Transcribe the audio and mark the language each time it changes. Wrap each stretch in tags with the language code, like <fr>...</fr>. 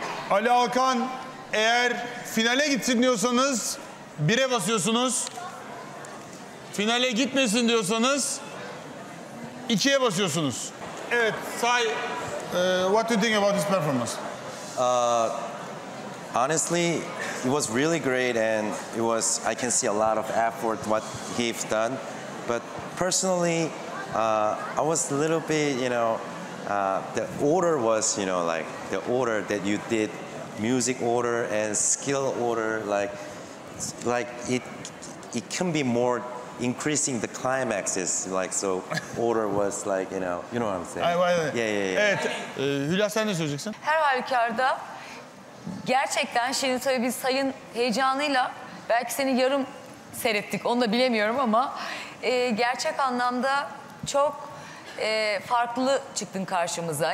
<tr>Ali Alkan, eğer finale gitsin diyorsanız bire basıyorsunuz. Finale gitmesin diyorsanız ikiye basıyorsunuz.</tr> <en>Evet, Sai, what do you think about this performance? Honestly, it was really great and it was, I can see a lot of effort what he's done. But personally, I was a little bit, you know, the order was, you know, like the order that you did, music order and skill order, like it can be more increasing the climaxes, like so order was like, you know what I'm saying? Yeah.</en> <tr>Evet, Hülya sen ne söyleyeceksin? Her halükarda gerçekten Şirin Soy'u biz Sayın heyecanıyla belki seni yarım seyrettik, onu da bilemiyorum ama gerçek anlamda çok farklı çıktın karşımıza.</tr>